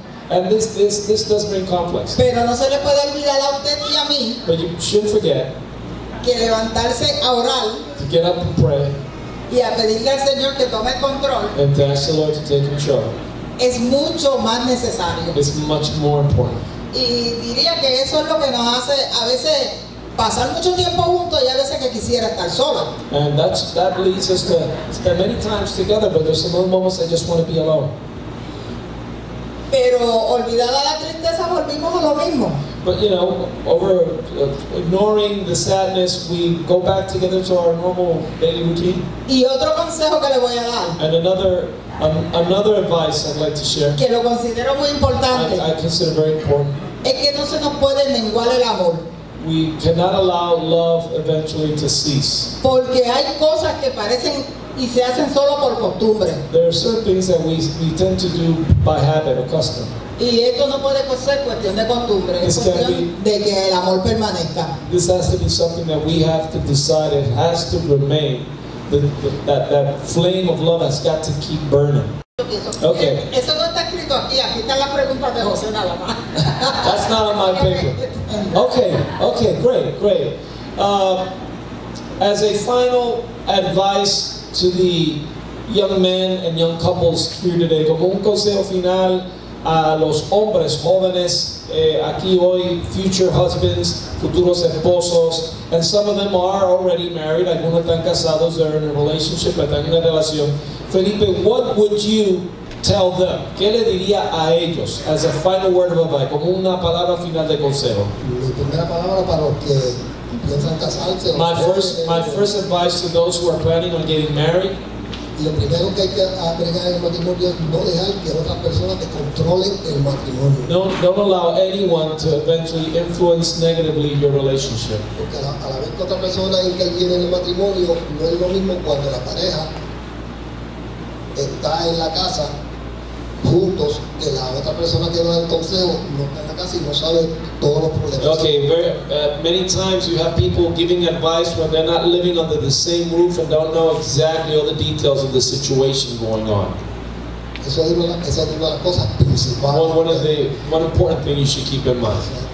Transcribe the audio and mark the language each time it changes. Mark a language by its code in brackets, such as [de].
[en] And this does bring conflicts. But you shouldn't forget to get up and pray. [es] Y a pedirle al Señor que tome control. [en] And to ask the Lord to take control. [es] Es mucho más necesario. [en] It's much more important. [es] Y diría que eso es lo que nos hace a veces pasar mucho tiempo juntos y a veces que quisiera estar sola. [en] And that leads us to spend many times together, but there's some moments I just want to be alone. [es] Pero olvidada la tristeza volvimos a lo mismo. [en] But you know, ignoring the sadness, we go back together to our normal daily routine. [es] Y otro consejo que le voy a dar. [en] And another advice I'd like to share. [es] Que lo considero muy importante. [en] I consider very important. [es] Es que no se nos puede menguar el amor. [en] We cannot allow love eventually to cease. [es] Porque hay cosas que parecen y se hacen solo por costumbre. [en] There are certain things that we tend to do by habit or custom. [es] Y esto no puede ser cuestión de costumbre, [en] this [es] es cuestión de que el amor permanezca. [en] This has to be something that we have to decide. It has to remain. That flame of love has got to keep burning. Okay. [es] Eso no está escrito aquí. Aquí está la pregunta de José nada más. [en] That's not on my paper. Okay. Great. as a final advice to the young men and young couples here today, [es] como un consejo final a los hombres jóvenes aquí hoy, [en] future husbands, [es] futuros esposos, [en] and some of them are already married, [es] algunos están casados, [en] they're in a relationship, [es] están en una relación. [en] Felipe, what would you tell them? [es] ¿Qué le diría a ellos? [en] As a final word of advice, [es] como una palabra final de consejo. Mi primera palabra para los que piensan casarse. [en] My first advice to those who are planning on getting married. [es] Lo primero que hay que agregar en el matrimonio es no dejar que otras personas te controlen el matrimonio. [en] Don't allow anyone to eventually influence negatively your relationship. [es] Porque a la vez que otra persona interviene en el matrimonio, no es lo mismo cuando la pareja está en la casa juntos, que la otra persona que da el consejo no está en la casa y no sabe todos los problemas. [en] Okay, many times you have people giving advice when they're not living under the same roof and don't know exactly all the details of the situation going on. [es] Eso es una de las cosas principales. [en] One important thing you should keep in mind.